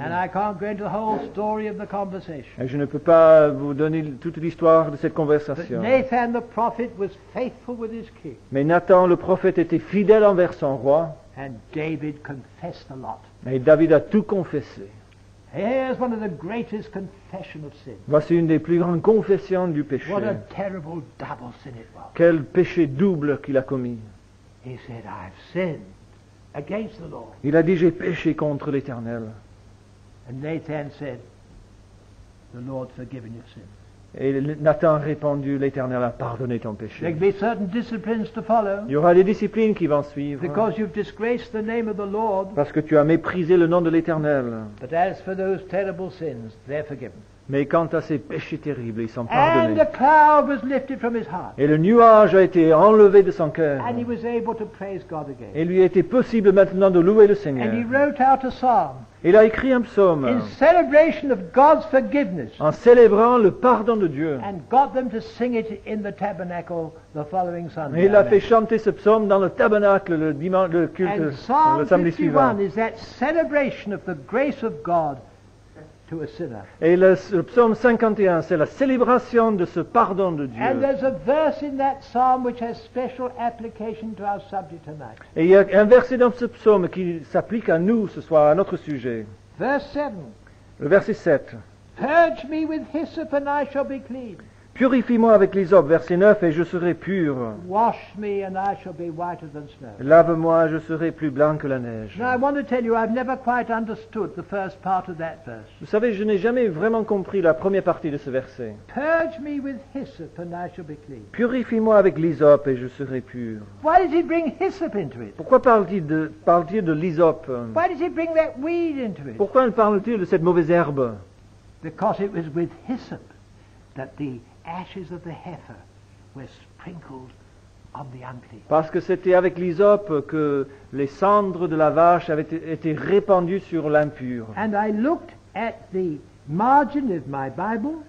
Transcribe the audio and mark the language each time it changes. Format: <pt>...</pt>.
<en>And I can't go into the whole story of the conversation.</en> <fr>Et je ne peux pas vous donner toute l'histoire de cette conversation.</fr> <en>But Nathan, the prophet, was faithful with his king.</en> <fr>Mais Nathan, le prophète, était fidèle envers son roi.</fr> <en>And David confessed a lot.</en> <fr>Et David a tout confessé.</fr> <en>Here's one of the greatest confessions of sin.</en> <fr>Voici une des plus grandes confessions du péché.</fr> <en>What a terrible double sin it was.</en> <fr>Quel péché double qu'il a commis.</fr> <en>He said, I've sinned. Against the Lord.</en> <fr>Il a dit, j'ai péché contre l'Éternel.</fr> <en>And Nathan said, the Lord's forgiven your sin.</en> <fr>Et Nathan a répondu, l'Éternel a pardonné ton péché.</fr> <en>There'll be certain disciplines to follow.</en> <fr>Il y aura des disciplines qui vont suivre.</fr> <en>Because you've disgraced the name of the Lord.</en> <fr>Parce que tu as méprisé le nom de l'Éternel.</fr> <en>But as for those terrible sins, they're forgiven.</en> <fr>Mais quant à ses péchés terribles, ils sont</fr> <en>and</en> <fr>pardonnés.</fr> <en>The cloud was lifted from his heart.</en> <fr>Et le nuage a été enlevé de son cœur.</fr> <en>And he was able to praise God again.</en> <fr>Et lui a été possible maintenant de louer le Seigneur.</fr> <en>And he wrote out a psalm.</en> <fr>Il a écrit un psaume.</fr> <en>In celebration of God's forgiveness.</en> <fr>En célébrant le pardon de Dieu.</fr> <en>And got them to sing it in the tabernacle the following Sunday.</en> <fr>Et il a fait chanter ce psaume dans le tabernacle le culte</fr> <en>and psalm</en> <fr>le samedi suivant.</fr> <en>Is that celebration of the grace of God. To a sinner.</en> <fr>Et le psaume 51, c'est la célébration de ce pardon de Dieu.</fr> <en>And there's a verse in that psalm which has special application to our subject tonight.</en> <fr>Et il y a un verset dans ce psaume qui s'applique à nous ce soir, à notre sujet.</fr> <en>Verse 7.</en> <fr>Le verset 7.</fr> <en>Purge me with hyssop and I shall be clean.</en> <fr>Purifie-moi avec l'hysope, verset 9, et je serai pur.</fr> <en>Wash me and I shall be whiter than snow.</en> <fr>Lave-moi, je serai plus blanc que la neige.</fr> <en>Now I want to tell you, I've never quite understood the first part of that verse.</en> <fr>Vous savez, je n'ai jamais vraiment compris la première partie de ce verset.</fr> <en>Purge me with hyssop and I shall be clean.</en> <fr>Purifie-moi avec l'hysope et je serai pur.</fr> <en>Why did he bring hyssop into it?</en> <fr>Pourquoi parle-t-il de l'hysope?</fr> <en>Why did he bring that weed into it?</en> <fr>Pourquoi parle-t-il de cette mauvaise herbe?</fr> <en>Because it was with hyssop that the ashes of the heifer were sprinkled on the unclean.</en> <fr>Parce que c'était avec l'hysope que les cendres de la vache avaient été répandues sur l'impur.</fr> <en>And I looked at the margin of my Bible.</en>